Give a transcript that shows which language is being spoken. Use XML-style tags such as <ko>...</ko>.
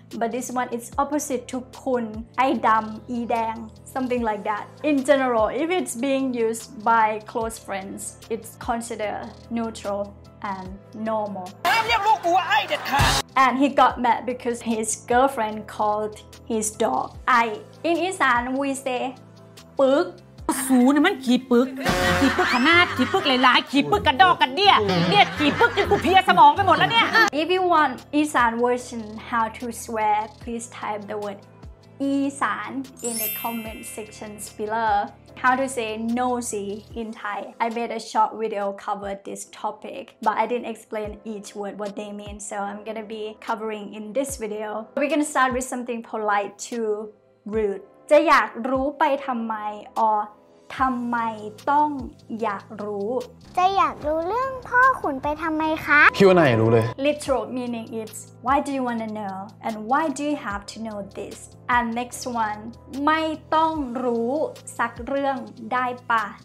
<en>But this one is opposite to kun. I dam, e dang. Something like that. In general, if it's being used by close friends, it's considered neutral and normal. And he got mad because his girlfriend called his dog I. In Isan, we say Pug.</en> <th>สูนมันขี่ปึกขี่ปึกขนาดขี่ปึกหลายๆขี่ปึกกระดอกกระเดี้ยเนี่ยขี่ปึกจนกูเพี้ยสมองไปหมดแล้วเนี่ย</th> <en>If you want Isan version how to swear please type the word Isan in the comment sections below how to say nosy in Thai I made a short video covered this topic but I didn't explain each word what they mean so I'm gonna be covering in this video we're gonna start with something polite to rude.</en> <th>จะอยากรู้ไปทำไม or ทำไมต้องอยากรู้ จะอยากรู้เรื่องพ่อขุนไปทำไมคะ พี่ว่าไหนรู้เลย</th> <en>literal meaning is why do you want to know and why do you have to know this and next one</en> <th>ไม่ต้องรู้สักเรื่องได้ปะ</th>